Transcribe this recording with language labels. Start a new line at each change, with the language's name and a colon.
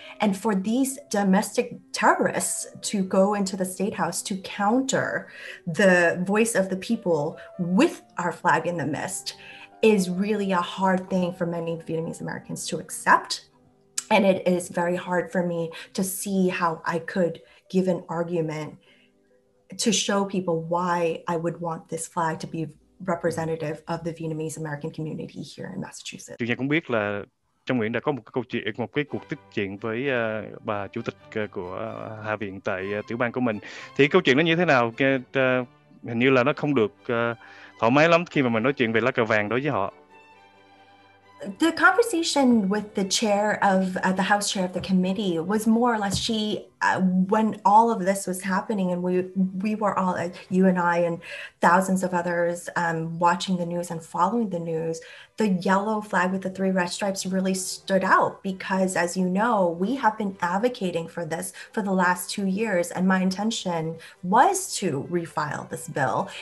English: And for these domestic terrorists to go into the state house to counter the voice of the people with our flag in the midst is really a hard thing for many Vietnamese Americans to accept. And it is very hard for me to see how I could give an argument to show people why I would want this flag to be representative of the Vietnamese American community here in Massachusetts.
Vietnamese: Chúng ta cũng biết là Trâm Nguyễn đã có một câu chuyện, một cái cuộc tiếp chuyện với bà chủ tịch của Hạ viện tại tiểu bang của mình. Thì câu chuyện nó như thế nào? Hình như là nó không được thoải mái lắm khi mà mình nói chuyện về lá cờ vàng đối với họ.
English: The conversation with the chair of the House chair of the committee was more or less she when all of this was happening and we were all you and I and thousands of others watching the news and following the news, the yellow flag with the three red stripes really stood out because, as you know, we have been advocating for this for the last 2 years, and my intention was to refile this bill.